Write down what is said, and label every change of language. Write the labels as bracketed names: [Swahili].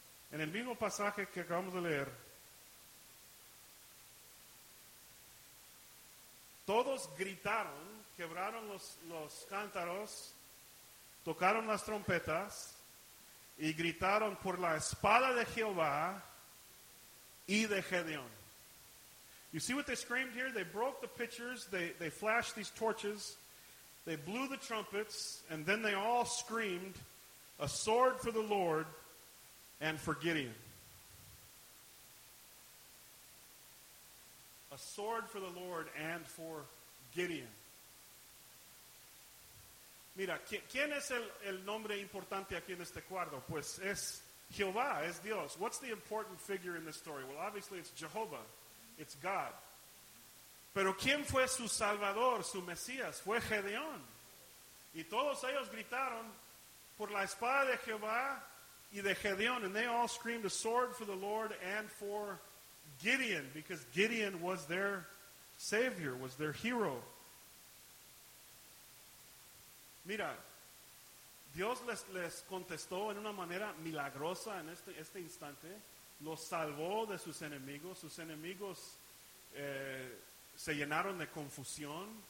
[Spanish] En el mismo pasaje que acabamos de leer, todos gritaron, quebraron los cántaros, tocaron las trompetas y gritaron por la espada de Jehová y de Gedeón. [English] You see what they screamed here? They broke the pitchers, they flashed these torches, they blew the trumpets, and then they all screamed, "A sword for the Lord and for Gideon." A sword for the Lord and for Gideon. [Spanish] Mira, ¿quién es el nombre importante aquí en este cuadro? Pues es Jehová, es Dios. [English] What's the important figure in this story? Well, obviously it's Jehovah, it's God. [Spanish] Pero ¿quién fue su salvador, su Mesías? Fue Gedeón. Y todos ellos gritaron, por la espada de Jehová y de Gedeón, [English] and they all screamed a sword for the Lord and for Gideon, because Gideon was their savior, was their hero. [Spanish] Mira, Dios les contestó en una manera milagrosa en este instante. Los salvó de sus enemigos. Sus enemigos se llenaron de confusión.